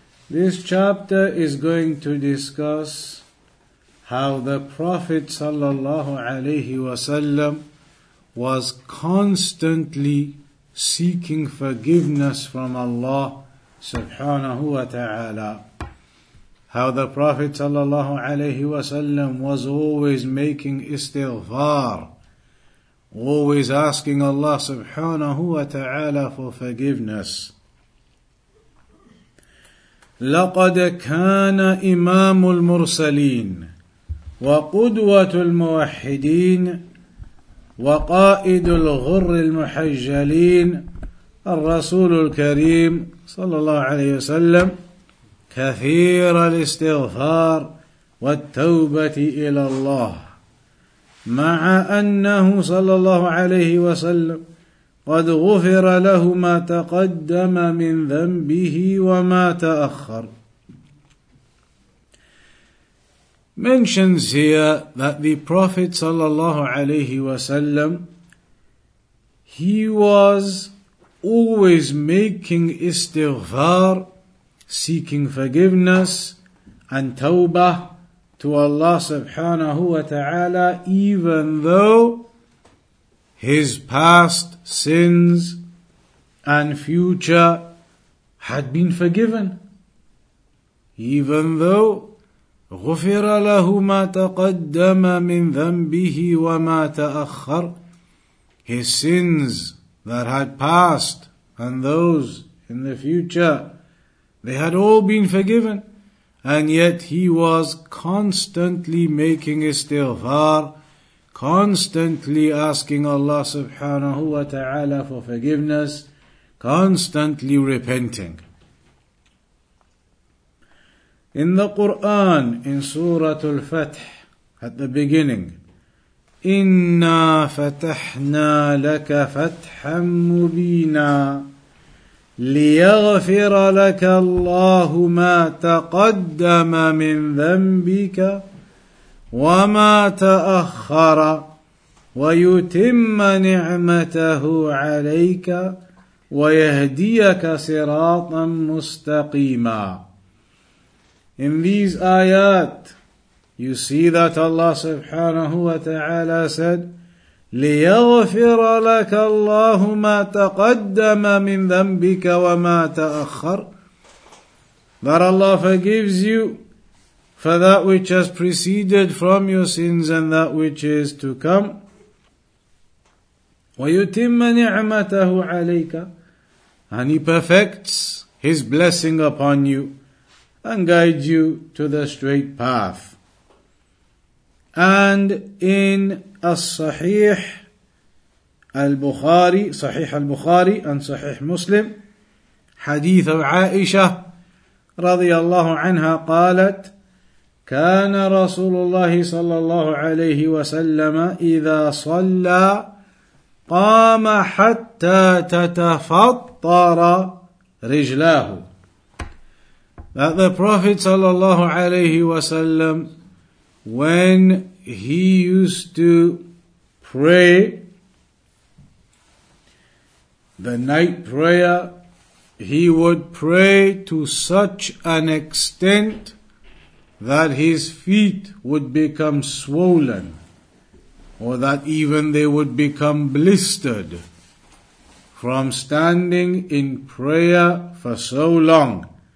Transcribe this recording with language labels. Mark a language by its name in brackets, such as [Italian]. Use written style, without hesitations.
[English] This chapter is going to discuss how the Prophet sallallahu alayhi wa sallam was constantly seeking forgiveness from Allah subhanahu wa ta'ala. How the Prophet sallallahu alayhi wa sallam was always making istighfar, always asking Allah subhanahu wa ta'ala for forgiveness. [Arabic] لقد كان إمام المرسلين وقدوة الموحدين وقائد الغر المحجلين الرسول الكريم صلى الله عليه وسلم كثير الاستغفار والتوبة إلى الله مع أنه صلى الله عليه وسلم قد غفر له ما تقدم من ذنبه وما تأخر. [English] Mentions here that the Prophet صلى الله عليه وسلم, he was always making istighfar, seeking forgiveness and tawbah to Allah subhanahu wa ta'ala, even though his past sins and future had been forgiven. Even though [Arabic] غُفِرَ لَهُ مَا تَقَدَّمَ مِنْ ذَنْبِهِ وَمَا تَأَخَّرْ, [English] his sins that had passed and those in the future, they had all been forgiven, and yet he was constantly making istighfar, constantly asking Allah subhanahu wa ta'ala for forgiveness, constantly repenting. In the Quran, in Surah Al-Fath, at the beginning, [Arabic] Inna fatahna laka fatham mubina ليغفر لك الله ما تقدم من ذنبك وما تأخر ويتم نعمته عليك ويهديك صراطا مستقيما. [English] In these ayat, you see that Allah subhanahu wa ta'ala said, [Arabic] ليغفر لك الله ما تقدم من ذنبك وما تأخر, [English] that Allah forgives you for that which has preceded from your sins and that which is to come. [Arabic] ويتم نعمته عليك, [English] and he perfects his blessing upon you and guides you to the straight path. And in [Arabic] الصحيح البخاري, صحيح البخاري and صحيح مسلم, حديث عائشة رضي الله عنها قالت كان رسول الله صلى الله عليه وسلم إذا صلى قام حتى تتفطر رجلاه. [English] That the Prophet صلى الله عليه وسلم, when he used to pray, the night prayer, he would pray to such an extent that his feet would become swollen, or that even they would become blistered from standing in prayer for so long.